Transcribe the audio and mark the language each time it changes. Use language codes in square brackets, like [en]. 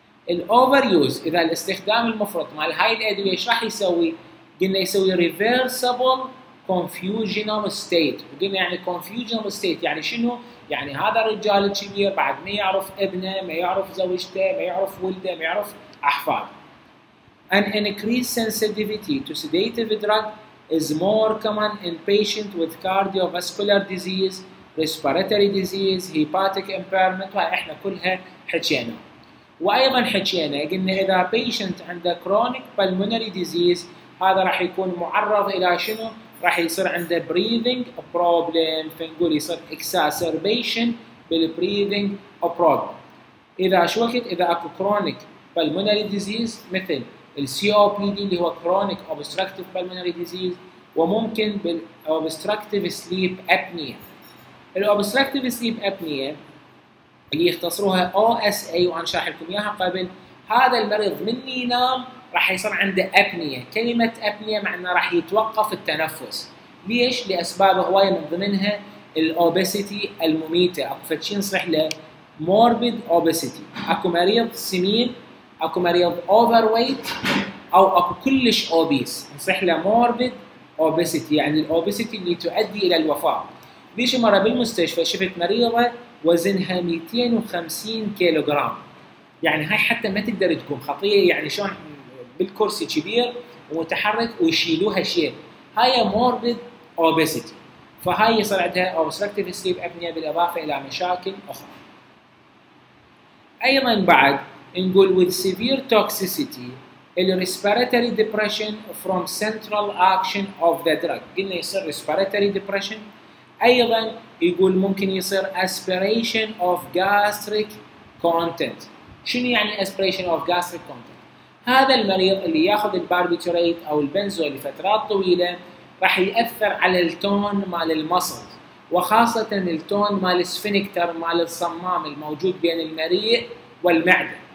[ar] الاوفر يوز اذا الاستخدام المفرط مع هاي الادويه ايش راح يسوي؟ قلنا يسوي ريفرسبل كونفيوجنال ستيت. قلنا يعني كونفيوجنال ستيت يعني شنو؟ يعني هذا الرجال الكبير بعد ما يعرف ابنه، ما يعرف زوجته، ما يعرف ولده، ما يعرف احفاده. [en] An increased sensitivity to sedative drug is more common in patients with cardiovascular disease, respiratory disease, hepatic impairment. [ar] وهي احنا كلها حكينا. وايضا حكينا قلنا اذا patient عنده chronic pulmonary disease هذا راح يكون معرض الى شنو؟ راح يصير عنده breathing problem، فنقول يصير exacerbation بال breathing problem. اذا شو وقت؟ اذا اكو chronic pulmonary disease مثل COPD اللي هو Chronic Obstructive Pulmonary Disease وممكن بال Obstructive Sleep Apnea. ال Obstructive Sleep Apnea اللي يختصروها OSA وانا شرح لكم اياها قبل، هذا المريض من ينام راح يصير عنده أبنية. كلمة أبنية معناه راح يتوقف التنفس. ليش؟ لأسباب هواية من ضمنها ال Obesity المميتة. اكو فتشي نصلح له Morbid Obesity. اكو مريض سمين، اكو مريض اوفر ويت، او اكو كلش اوبيس، نصح له موربيد اوبيسيتي، يعني الاوبيسيتي اللي تؤدي الى الوفاه. ليش مره بالمستشفى شفت مريضه وزنها 250 كيلوغرام، يعني هاي حتى ما تقدر تكون خطيه، يعني شلون بالكرسي كبير ومتحرك ويشيلوها شيل، هاي موربيد اوبيسيتي. فهاي صار عندها اوبستركتيف سليب ابنيا بالاضافه الى مشاكل اخرى. ايضا بعد نقول [en] with severe toxicity الـ respiratory depression from central action of the drug. [ar] قلنا يصير respiratory depression. أيضا يقول ممكن يصير aspiration of gastric content. شنو يعني aspiration of gastric content؟ هذا المريض اللي ياخذ الباربيتوريت أو البنزو لفترات طويلة راح يأثر على التون مال المصل وخاصة التون مال السفنكتر مال الصمام الموجود بين المريء والمعدة.